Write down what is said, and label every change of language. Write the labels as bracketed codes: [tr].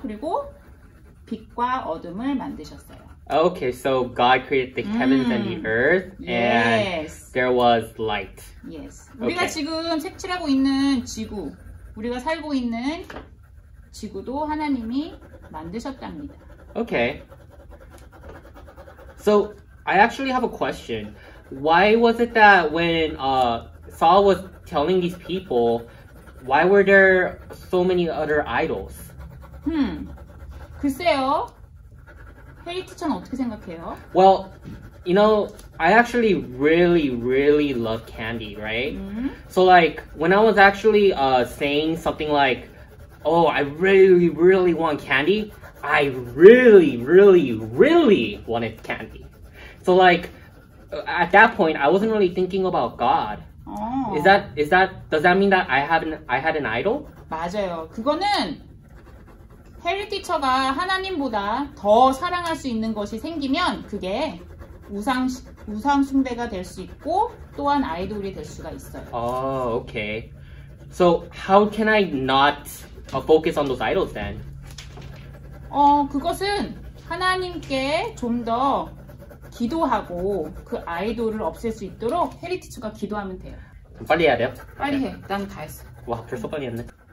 [ko] 그리고 빛과 어둠을 만드셨어요. [en] Okay, so God created the heavens and the earth, and yes. there was light. Yes. Okay. [ko] 우리가 지금 색칠하고 있는 지구, 우리가 살고 있는 지구도 하나님이 만드셨답니다. [en] Okay. So, I actually have a question. Why was it that when Saul was telling these people, why were there so many other idols? [ko] 글쎄요. 페리 티처는 어떻게 생각해요? [en] Well, you know, I actually really, really love candy, right? Mm-hmm. So like, when I was actually saying something like, oh, I really, really want candy, I really, really, really wanted candy. So like, at that point, I wasn't really thinking about God. Oh. Does that mean that I had an idol? [ko] 맞아요. 그거는 페리 티처가 하나님보다 더 사랑할 수 있는 것이 생기면 그게 우상 숭배가 될 수 있고 또한 아이돌이 될 수가 있어요. [en] Oh, okay. So how can I not focus on those idols then? [ko] 그것은 하나님께 좀 더 기도하고 그 아이돌을 없앨 수 있도록 페리 티처가 기도하면 돼요. 빨리 해야 돼요? 빨리 해. 난 다 했어. 와, 벌써 빨리 했네.